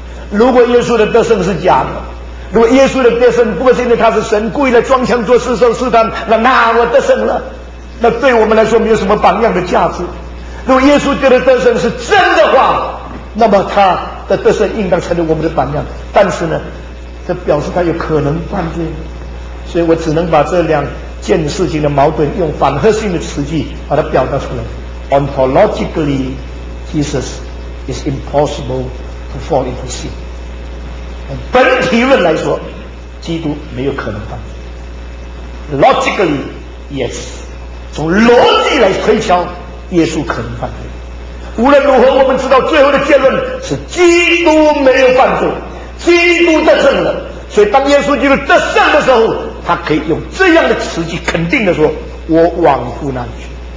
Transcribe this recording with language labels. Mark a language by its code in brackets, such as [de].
[zh] 如果耶稣的得胜是假的，如果耶稣的得胜不过是因为他是神故意的装腔作势受试探，那我得胜了，那对我们来说没有什么榜样的价值。如果耶稣基督的得胜是真的话，那么他的得胜应当成为我们的榜样。但是呢，这表示他有可能犯罪，所以我只能把这两件事情的矛盾用反合性的词句把它表达出来。 [en] Ontologically, Jesus is impossible to fall into sin. [zh] 本体论来说，基督没有可能犯罪。 [en] Logically, yes. [zh] 从逻辑来推敲。耶稣可能犯罪，无论如何我们知道最后的结论是基督没有犯罪，基督得胜了，所以当耶稣基督得胜的时候，他可以用这样的词句肯定的说，我往父那里去。